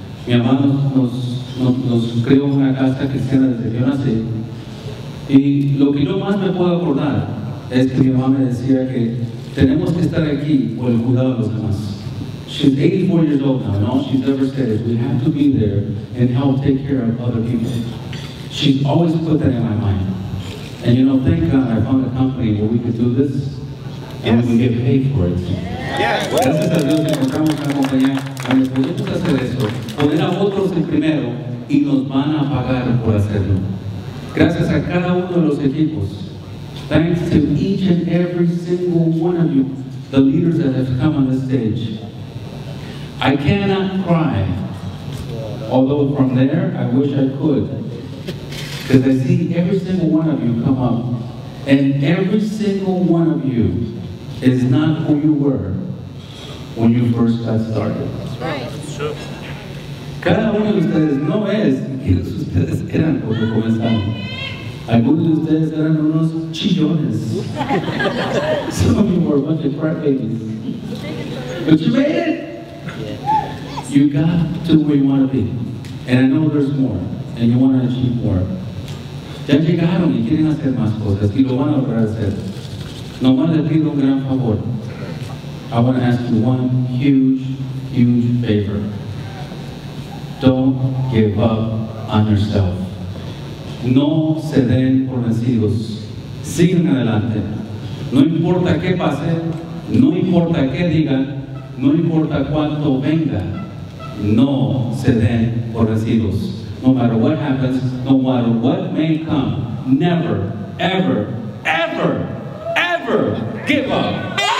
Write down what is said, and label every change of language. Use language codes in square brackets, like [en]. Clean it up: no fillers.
[es] Mi mamá nos creó en una casa cristiana desde que yo nací. Y lo que yo más me puedo acordar es que mi mamá me decía que tenemos que estar aquí por el cuidado de los demás. [en] She's 84 years old now, and all she's ever said is we have to be there and help take care of other people. She's always put that in my mind. And you know, thank God I found a company where we could do this. Yes. And we get paid for it. Yes. [es] Gracias a Dios que encontramos una compañía donde podemos hacer eso, poner a otros en primero y nos van a pagar por hacerlo. Gracias a cada uno de los equipos. [en] Thanks to each and every single one of you, the leaders that have come on the stage. I cannot cry, although from there I wish I could, because I see every single one of you come up, and every single one of you is not who you were when you first got started. That's right. [es] Cada uno de ustedes no es quienes ustedes eran cuando comenzaron. Algunos de ustedes eran unos chillones. [en] Some of you were a bunch of crybabies. But you made it! You got to where you want to be. And I know there's more. And you want to achieve more. [es] Ya llegaron y quieren hacer más cosas. Y lo van a lograr hacer. Nomás le pido un gran favor. [en] I want to ask you one huge, huge favor. Don't give up on yourself. [es] No se den por vencidos. Sigan adelante. No importa qué pase, no importa qué digan, no importa cuánto venga, no se den por vencidos. [en] No matter what happens, no matter what may come, never, ever, ever, give up.